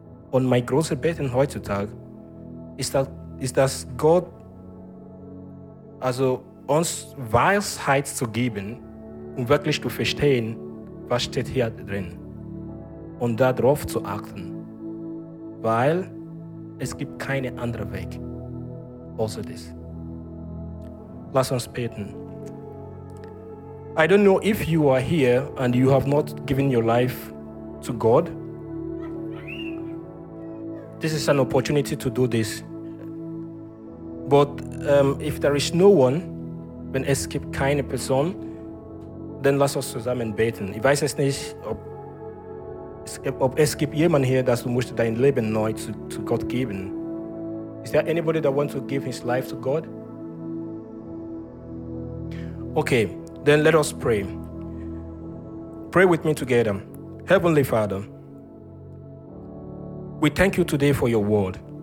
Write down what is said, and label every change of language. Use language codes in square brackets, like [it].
[de] Und mein großes Beten heutzutage ist, dass Gott also uns Weisheit zu geben, um wirklich zu verstehen, was steht hier drin. Und darauf zu achten, weil es gibt keinen anderen Weg außer das. Lass uns beten. [en] I don't know if you are here and you have not given your life to God. This is an opportunity to do this. But if there is no one, [de] wenn es gibt keine Person, dann lass uns zusammen beten. Ich weiß es nicht, ob es gibt jemanden hier, dass du musst dein Leben neu zu Gott geben. [en] Is there anybody that wants to give his life to God? Okay, then let us pray. Pray with me together. Heavenly Father, we thank you today for your word.